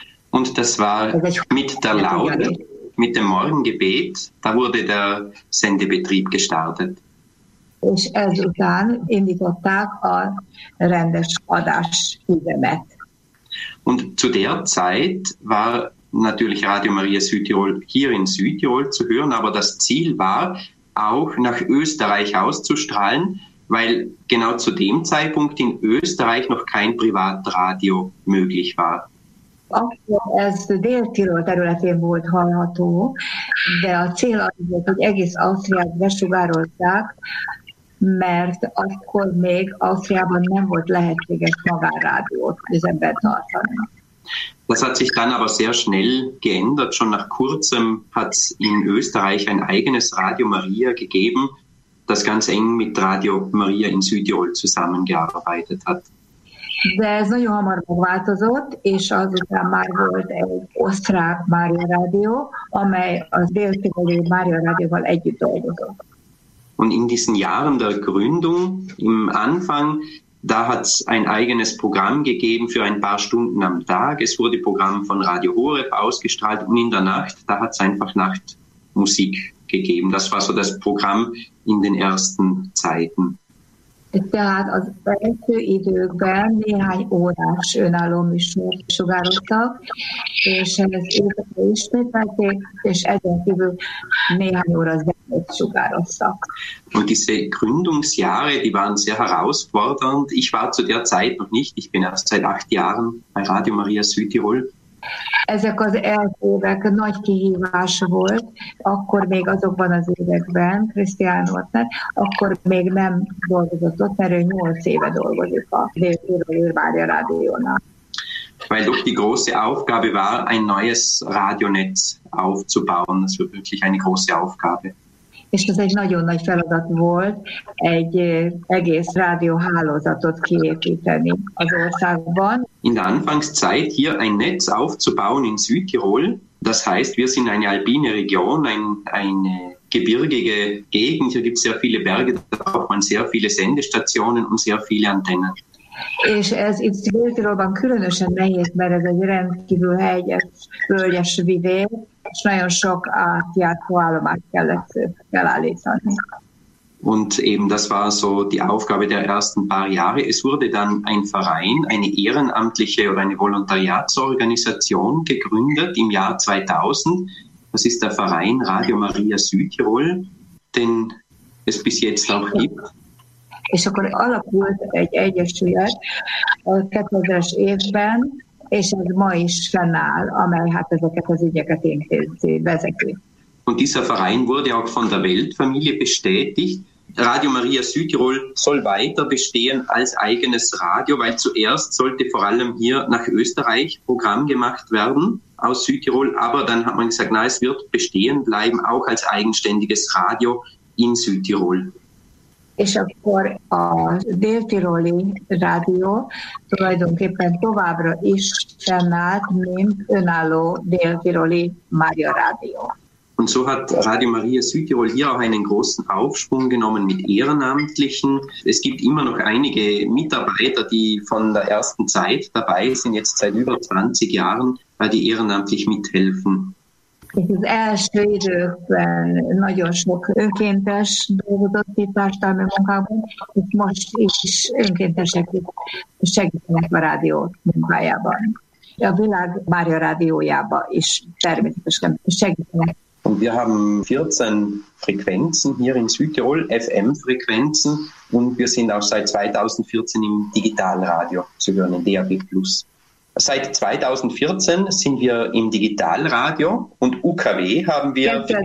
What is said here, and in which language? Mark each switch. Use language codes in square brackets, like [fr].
[de] Und das war mit der Laude, mit dem Morgengebet, da wurde der Sendebetrieb gestartet. [hu] És ezután indították a rendes adásüzemet. [de] Und zu der Zeit war natürlich Radio Maria Südtirol hier in Südtirol zu hören, aber das Ziel war, auch nach Österreich auszustrahlen, weil genau zu dem Zeitpunkt in Österreich noch kein Privatradio möglich war. [hu] Akkor ez Dél-Tirol területén volt hallható, de a cél az volt, hogy egész Ausztriát besugározzák, mert akkor még Ausztriában nem volt lehetséges magánrádiót üzemben tartani. [de] Das hat sich dann aber sehr schnell geändert. Schon nach kurzem hat es in Österreich ein eigenes Radio Maria gegeben, das ganz eng mit Radio Maria in Südtirol zusammengearbeitet hat. [hu] De ez nagyon hamar megváltozott, és azután már volt egy osztrák Mária Rádió, amely a Dél-Tiroli Mária Rádióval együtt dolgozott. [de] Und in diesen Jahren der Gründung, im Anfang, da hat es ein eigenes Programm gegeben für ein paar Stunden am Tag. Es wurde Programm von Radio Horeb ausgestrahlt und in der Nacht, da hat es einfach Nachtmusik gegeben. Das war so das Programm in den ersten Zeiten. [hu] Tehát az első időkben néhány órás önálló műsor sugároztak, és ez évekre ismételték, és ezen kívül néhány óra zenét sugároztak. [de] Und diese Gründungsjahre, die waren sehr herausfordernd. Ich war zu der Zeit noch nicht, ich bin erst seit 8 Jahren bei Radio Maria Südtirol. [hu] Ezek az első évek nagy kihívás volt, akkor még azokban az években, Christian Ortner, akkor még nem dolgozott ott, mert ő 8 éve dolgozik a Dél-Tiroli Mária Rádiónál. [de] Weil doch die große Aufgabe war, ein neues Radionetz aufzubauen, das war wirklich eine große Aufgabe. [hu] És ez egy nagyon nagy feladat volt, egy egész rádióhálózatot kiépíteni az országban. [de] In der Anfangszeit hier ein Netz aufzubauen in Südtirol, das heißt, wir sind eine alpine Region, eine gebirgige Gegend, hier gibt es sehr viele Berge, da braucht man sehr viele Sendestationen und sehr viele Antennen. [hu] És ez itt Dél-Tirolban különösen nehéz, mert ez egy rendkívül hegyes, völgyes vidék, és nagyon sok átjátó állomást kellett felállítani. [de] Und eben das war so die Aufgabe der ersten paar Jahre. Es wurde dann ein Verein, eine ehrenamtliche oder eine Volontariatsorganisation gegründet im Jahr 2000. Das ist der Verein Radio Maria Südtirol, den es bis jetzt auch gibt. [hu] És akkor alapult egy egyesület a 2000-es évben, és ez ma is fennáll, amely hát ezeket az ügyeket intézi, vezeti. [de] Und dieser Verein wurde auch von der Weltfamilie bestätigt. Radio Maria Südtirol soll weiter bestehen als eigenes Radio, weil zuerst sollte vor allem hier nach Österreich Programm gemacht werden aus Südtirol. Aber dann hat man gesagt, na, es wird bestehen bleiben, auch als eigenständiges Radio in Südtirol. [hu] és akkor a dél-tiroli rádió tulajdonképpen továbbra is fennállt, mint önálló dél-tiroli Mária rádió. [de] Und so hat Radio Maria Südtirol hier auch einen großen Aufschwung genommen mit Ehrenamtlichen. Es gibt immer noch einige Mitarbeiter, die von der ersten Zeit dabei sind, jetzt seit über 20 Jahren, die ehrenamtlich mithelfen. [hu] Az első időkben nagyon sok önkéntes dolgozott itt társadalmi munkában, és most is önkéntesek segítenek a rádió munkájában. A világ Mária rádiójában is természetesen segítenek. [de] Und wir haben 14 Frequenzen hier in Südtirol, FM-Frequenzen, und wir sind auch seit 2014 im Digitalradio zu hören, in DAB+. Seit 2014 sind wir im Digitalradio und UKW haben wir.